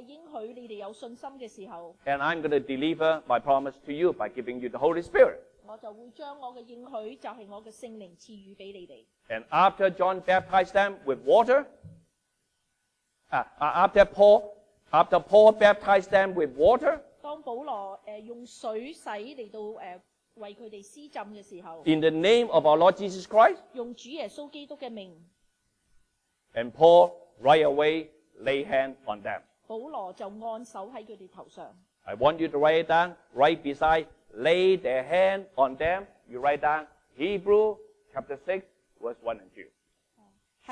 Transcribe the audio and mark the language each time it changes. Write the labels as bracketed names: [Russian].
[Chinese] 你对我所作的应许你们有信心的时候, [English] and I'm going to deliver my promise to you by giving you the Holy Spirit. [Chinese] 我就会将我的应许就是我的圣灵赐予给你们. [English] And after John baptized them with water, after Paul baptized them with water, [Chinese] 当保罗用水洗来为他们施浸的时候, [English] in the name of our Lord Jesus Christ, [Chinese] 用主耶稣基督的名, [English] and Paul right away lay hand on them. [Chinese] 保罗就按手在他们头上. [English] I want you to write it down right beside lay their hand on them. You write down Hebrews chapter 6 verse 1 and 2.